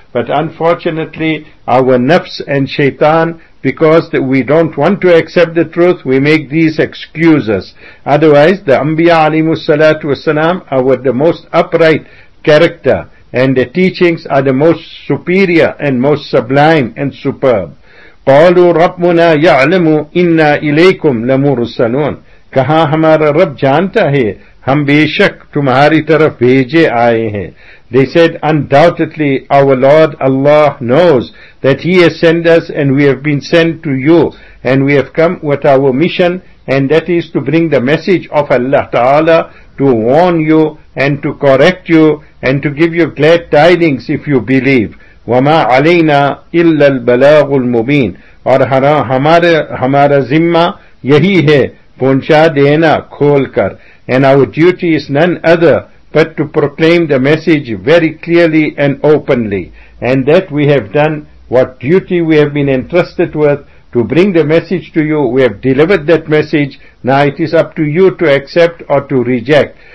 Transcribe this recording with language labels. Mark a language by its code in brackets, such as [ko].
[en] But unfortunately, our nafs and shaitan, because we don't want to accept the truth, we make these excuses. Otherwise, the Anbiya alayhi salatu wasalam are the most upright character, and the teachings are the most superior and most sublime and superb. [ar] قَالُوا رَبُّنَا يَعْلَمُ إِنَّا إِلَيْكُمْ لَمُرْسَلُونَ [ur] کہا ہمارا رب جانتا ہے ہم بے شک تمہاری طرف بھیجے آئے ہیں. [en] They said, undoubtedly our Lord Allah knows that He has sent us and we have been sent to you, and we have come with our mission, and that is to bring the message of Allah Ta'ala, to warn you and to correct you and to give you glad tidings if you believe. [ar] وَمَا عَلَيْنَا إِلَّا الْبَلَاغُ الْمُبِينَ [ur] اور ہمارا ذمہ یہی ہے پہنچا دینا کھول کر. [en] And our duty is none other but to proclaim the message very clearly and openly. And that we have done, what duty we have been entrusted with, to bring the message to you. We have delivered that message. Now it is up to you to accept or to reject.